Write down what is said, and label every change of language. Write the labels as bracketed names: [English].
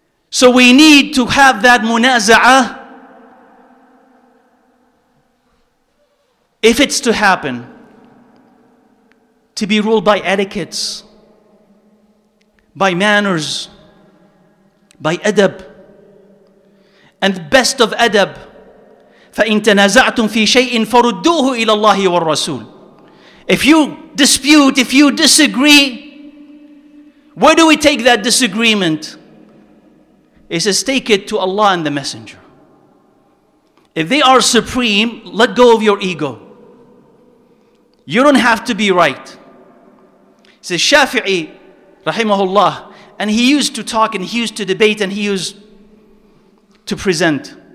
[English] So we need to have that munaza'a. If it's to happen, to be ruled by etiquettes, by manners, by adab. And best of adab, [Arabic] فَإِن تَنَازَعْتُمْ فِي شَيْءٍ فَرُدُّوهُ إِلَى اللَّهِ وَالرَّسُولِ. [English] If you dispute, if you disagree, where do we take that disagreement? He says, take it to Allah and the Messenger. If they are supreme, let go of your ego. You don't have to be right. He says, Shafi'i, rahimahullah, and he used to talk and he used to debate and he used to present.